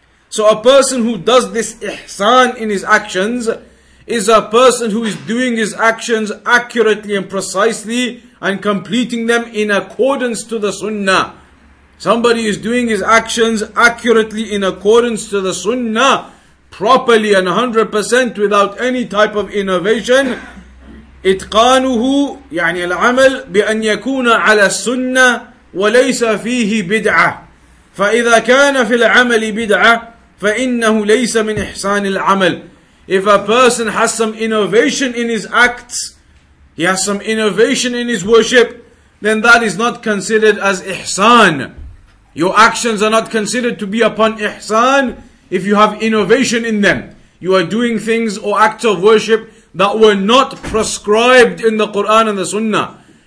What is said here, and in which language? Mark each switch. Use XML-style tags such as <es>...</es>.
<en>So a person who does this ihsan in his actions is a person who is doing his actions accurately and precisely and completing them in accordance to the sunnah. Somebody is doing his actions accurately in accordance to the sunnah, properly and 100% without any type of innovation.</en> <ar>إِتْقَانُهُ يعني العمل بأن يكون على السنة وليس فيه بدعة. فإذا كان في العمل بدعة فإنه ليس من إحسان العمل.</ar> <en>If a person has some innovation in his acts, he has some innovation in his worship, then that is not considered as ihsan. Your actions are not considered to be upon ihsan if you have innovation in them. you are doing things or acts of worship that were not prescribed in the Quran and the Sunnah.</en>